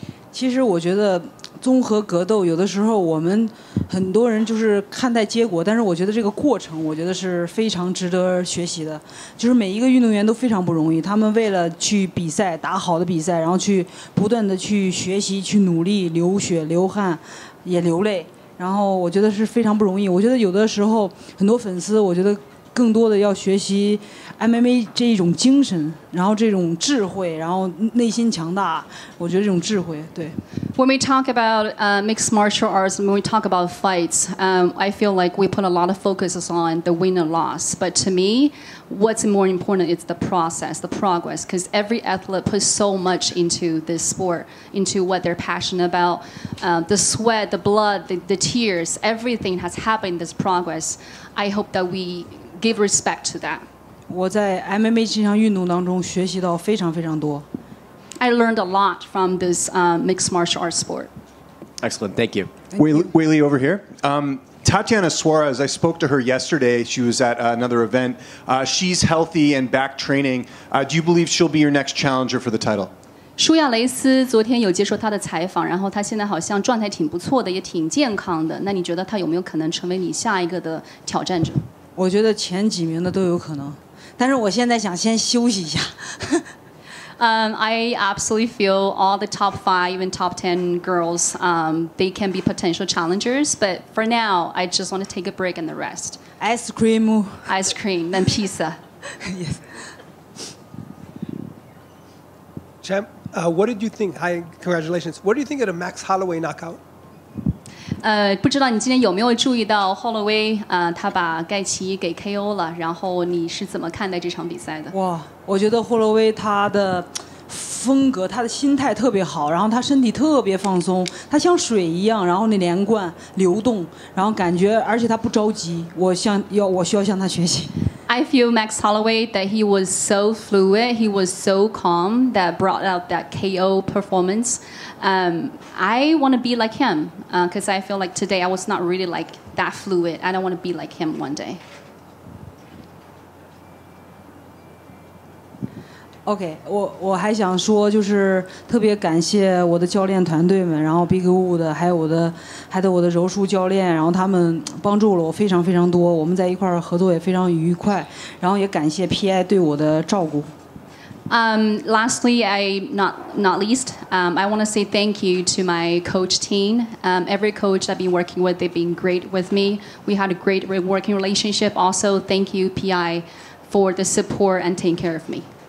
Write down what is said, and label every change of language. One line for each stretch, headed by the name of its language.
Chinese: 其实我觉得综合格斗有的时候我们很多人就是看待结果，但是我觉得这个过程我觉得是非常值得学习的，就是每一个运动员都非常不容易，他们为了去比赛打好的比赛，然后去不断的去学习去努力，流血流汗也流泪，然后我觉得是非常不容易。我觉得有的时候很多粉丝我觉得更多的要学习 MMA 这一种精神，然后这种智慧，然后内心强大，我觉得这种智慧，对。
English: When we talk about mixed martial arts, when we talk about fights, I feel like we put a lot of focus on the win and loss. But to me, what's more important is the process, the progress, because every athlete puts so much into this sport, into what they're passionate about. The sweat, the blood, the tears, everything has happened, this progress. I hope that we... Give respect to that.
Chinese: 我在 MMA 这项运动当中学习到非常非常多。
English: I learned a lot from this mixed martial arts sport. Excellent, thank you. Weili over here. Tatiana Suarez, I spoke to her yesterday. She was at another event. She's healthy and back training. Do you believe she'll be your next challenger for the title?
Chinese: 舒亚雷斯昨天有接受她的采访，然后她现在好像状态挺不错的，也挺健康的。那你觉得她有没有可能成为你下一个的挑战者？我觉得前几名的都有可能，但是我现在想先休息一下。
English: I absolutely feel all the top five, even top ten girls, they can be potential challengers. But for now, I just want to take a break and the rest. Ice cream, then pizza. Yes. Champ, what did you think? Hi, congratulations. What do you think of the Max Holloway knockout?
Chinese: 不知道你今天有没有注意到 Holloway 他把盖奇给 KO 了，然后你是怎么看待这场比赛的？哇，我觉得 Holloway 他的风格，他的心态特别好，然后他身体特别放松，他像水一样，然后那连贯流动，然后感觉，而且他不着急，我需要向他学习。
English: I feel Max Holloway that he was so fluid, he was so calm that brought out that KO performance. I want to be like him because I feel like today I was not really like that fluid. I don't want to be like him one day.
Chinese: OK， 我还想说，就是特别感谢我的教练团队们，然后 Big Wood 的，还有我的柔术教练，然后他们帮助了我非常非常多，我们在一块儿合作也非常愉快，然后也感谢 PI 对我的照顾。
English: Lastly, not least, I want to say thank you to my coach team. Every coach I've been working with, they've been great with me. We had a great working relationship. Also, thank you, PI, for the support and taking care of me.